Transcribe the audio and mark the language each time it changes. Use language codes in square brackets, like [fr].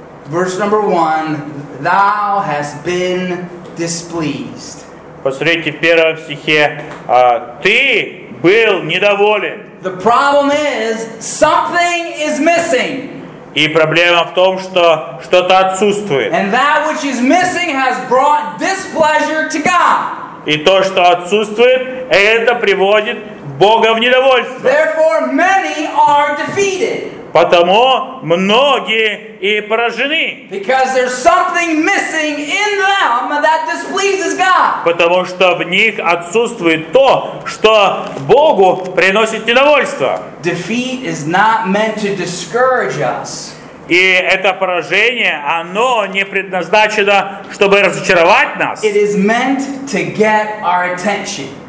[en] Verse number one, thou hast been displeased. [ru] Посмотрите в первом стихе, ты был недоволен. [en] The problem is, something is missing. [ru] И проблема в том, что что-то отсутствует. [en] And that which is missing has brought displeasure to God. [ru] И то, что отсутствует, это приводит Бога в недовольство. [en] Therefore, many are defeated. [ru] Потому многие и поражены. [en] Because there's something missing in them that displeases God. [ru] Потому что в них отсутствует то, что Богу приносит недовольство. [en] Defeat is not meant to discourage us. [ru] И это поражение, оно не предназначено, чтобы разочаровать нас. [en] It is meant to get our attention.